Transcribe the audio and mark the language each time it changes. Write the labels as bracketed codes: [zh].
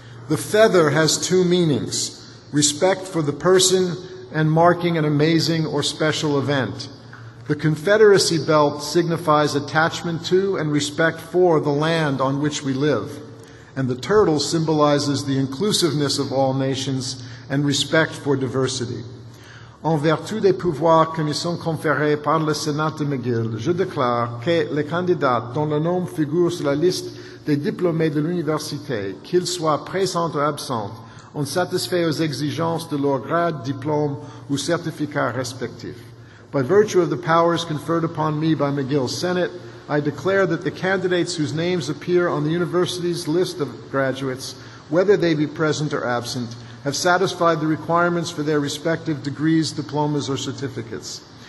[en] The feather has two meanings: respect for the person and marking an amazing or special event. The Confederacy belt signifies attachment to and respect for the land on which we live. And the turtle symbolizes the inclusiveness of all nations and respect for diversity. [fr] En vertu des pouvoirs qui me sont conférés par le Sénat de McGill, je déclare que les candidats dont le nom figure sur la liste des diplômés de l'université, qu'ils soient présents ou absents, ont satisfait aux exigences de leur grade, diplôme ou certificat respectif. [en] By virtue of the powers conferred upon me by McGill's Senate, I declare that the candidates whose names appear on the university's list of graduates, whether they be present or absent, have satisfied the requirements for their respective degrees, diplomas, or certificates.